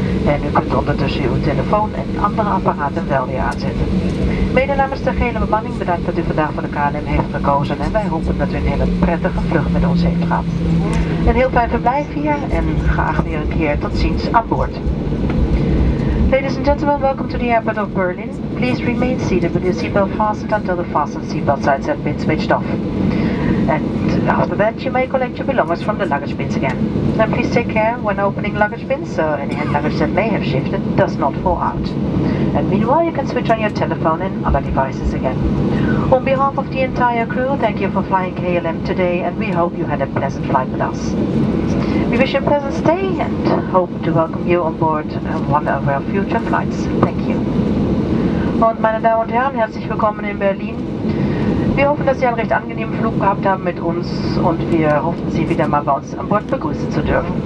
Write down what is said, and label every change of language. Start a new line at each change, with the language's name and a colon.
Dutch: En u kunt ondertussen uw telefoon en andere apparaten wel weer aanzetten. Mede namens de gehele bemanning bedankt dat u vandaag voor de KLM heeft gekozen. En wij hopen dat u een hele prettige vlucht met ons heeft gehad. Een heel fijn verblijf hier en graag weer een keer tot ziens aan boord.
English: Ladies and gentlemen, welcome to the airport of Berlin. Please remain seated with your seatbelt fastened until the fastened seatbelt sides have been switched off. And after that, you may collect your belongings from the luggage bins again. And please take care when opening luggage bins, so any hand luggage that may have shifted does not fall out. And meanwhile, you can switch on your telephone and other devices again. On behalf of the entire crew, thank you for flying KLM today, and we hope you had a pleasant flight with us. We wish you a pleasant stay and hope to welcome you on board one of our future flights. Thank you.
German: Und meine Damen und Herren, herzlich willkommen in Berlin. Wir hoffen, dass Sie einen recht angenehmen Flug gehabt haben mit uns und wir hoffen, Sie wieder mal bei uns an Bord begrüßen zu dürfen.